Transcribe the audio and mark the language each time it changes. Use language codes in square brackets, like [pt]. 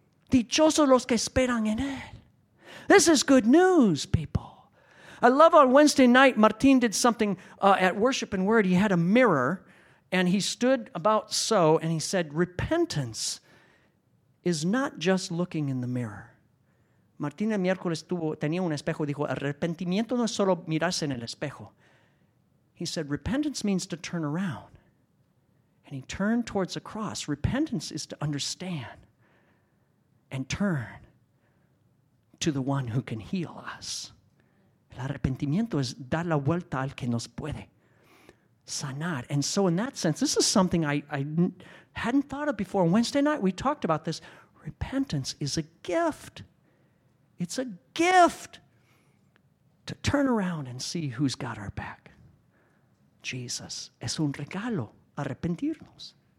[es] Dichosos los que esperan en Él. [en] This is good news, people. I love on Wednesday night, Martin did something at Worship and Word. He had a mirror, and he stood about so, and he said, repentance is not just looking in the mirror. [es] Martin el miércoles tenía un espejo y dijo, arrepentimiento no es solo mirarse en el espejo. [en] He said, repentance means to turn around. And he turned towards the cross. Repentance is to understand and turn to the one who can heal us. [es] El arrepentimiento es dar la vuelta al que nos puede sanar. [en] And so in that sense, this is something I hadn't thought of before. Wednesday night we talked about this. Repentance is a gift. It's a gift to turn around and see who's got our back. Jesus. [es] Es un regalo arrepentirnos.